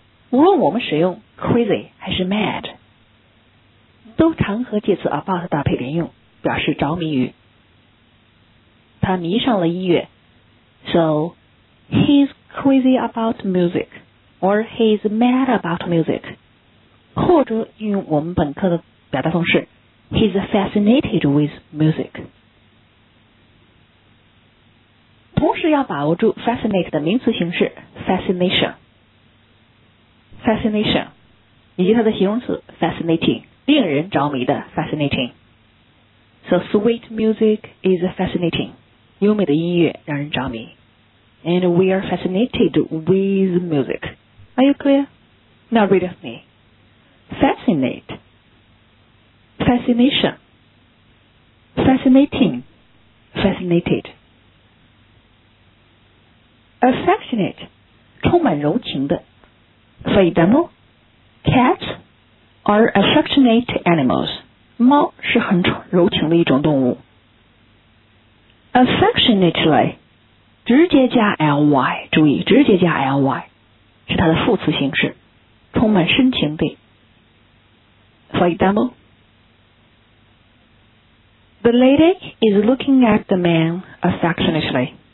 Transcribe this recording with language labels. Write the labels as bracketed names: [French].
[Chinese] 无论我们使用 crazy 还是 mad, 都常和介词 about 搭配连用，表示着迷于。他迷上了音乐。 [English] So, he's crazy about music, or he's mad about music. [Chinese] 或者用我们本科的表达方式 [English] he's fascinated with music. [Chinese] 同时要把握住 fascinate 的名词形式 fascination. Fascination, 以及它的形容词 fascinating, 令人着迷的 fascinating. [English] So, sweet music is fascinating. [Chinese] 优美的音乐让人着迷。 [English] And we are fascinated with music. Are you clear? Now read with me. Fascinate. Fascination. Fascinating. Fascinated. Affectionate. [Chinese] 充满柔情的。 [English] For example, cats are affectionate animals. [Chinese] 猫是很柔情的一种动物。 [English] Affectionately. [Chinese] 直接加 ly, 注意直接加 ly, 是它的副词形式，充满深情的。 [English] For example, the lady is looking at the man affectionately.